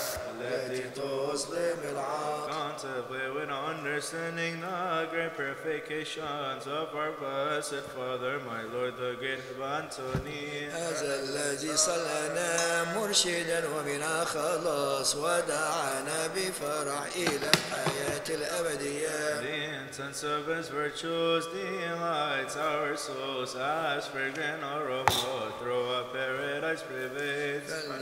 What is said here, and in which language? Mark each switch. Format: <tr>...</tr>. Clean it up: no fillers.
<en>Contemplate with understanding the great purifications of our blessed Father, my Lord, the great Antony.</en> <ar>هذا الذي صلنا مرشدا ومنا خلاص ودعانا بفرح إلى الحياة الأبدية.</ar> <en>The incense of his virtues delights our souls as fragrant aroma through a paradise pervades.</en>